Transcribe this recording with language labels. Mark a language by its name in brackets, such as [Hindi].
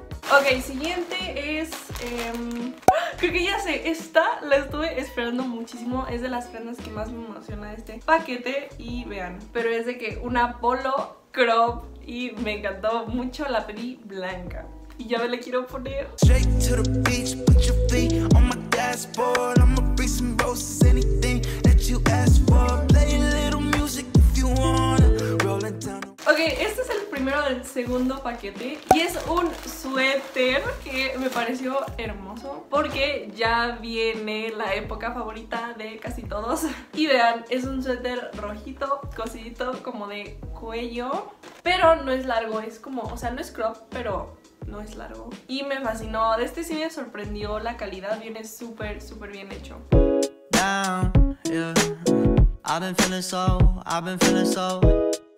[Spanish] Ok, siguiente es... creo que ya sé, esta la estuve esperando muchísimo. Es de las prendas que más me emociona de este paquete y vean. Pero es de que una polo crop y me encantó mucho, la pedí blanca. Y ya me la quiero poner. [English] Straight to the beach, put your feet on my dashboard. I'ma bring some roses, anything that you ask for. Play a little music if you wanna. Rolling down. [Spanish] Ok, este es el primero del segundo paquete y es un suéter que me pareció hermoso porque ya viene la época favorita de casi todos. Y vean, es un suéter rojito, cosidito, como de cuello, pero no es largo, es como, o sea, no es crop, pero no es largo. Y me fascinó, de este sí me sorprendió la calidad, viene súper, súper bien hecho. [English] Down, yeah. I've been feeling so, I've been feeling so.